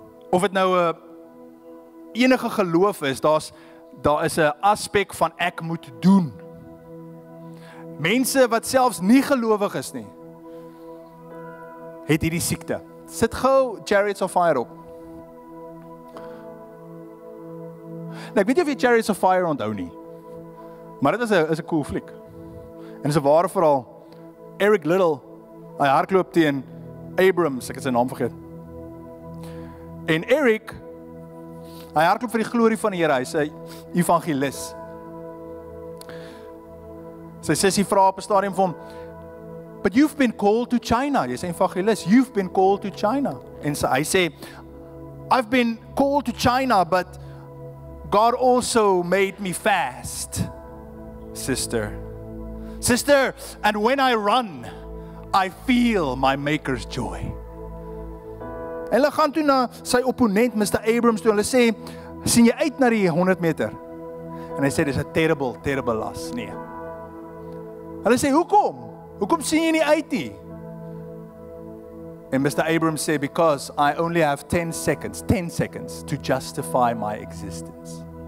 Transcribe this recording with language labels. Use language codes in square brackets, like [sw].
[af] Of dit nou 'n enige geloof is, daar is 'n aspek van ek moet doen. Mense wat selfs nie gelowig is nie, het hierdie siekte. Sit gou Chariots of Fire op. Nou, ek weet jy of jy Chariots of Fire onthou nie. Maar dit is een cool fliek. En dit is een ware verhaal. Eric Little, hy hardloop teen Abrams, ek het sy naam vergeet. En Eric, hy hardloop vir die glorie van die Here, hy is 'n evangelis. Sy sussie vra op 'n stadium vir hom, [en] "But you've been called to China," [af] jy is 'n evangelis, [en] "you've been called to China." [af] En sy, hy sê, [en] "I've been called to China, but God also made me fast. Sister, and when I run, I feel my maker's joy." [af] En hulle gaan toe na sy opponent, Mr. Abrams, toe hulle sê, "Sien jy uit na die 100 meter? En hy sê, "Dis 'n [en] terrible, terrible loss." [af] Nee. Hulle sê, "Hoekom? Hoekom sien jy nie uit nie?" En Mr. [en] Abrams sê, "Because I only have 10 seconds to justify my existence."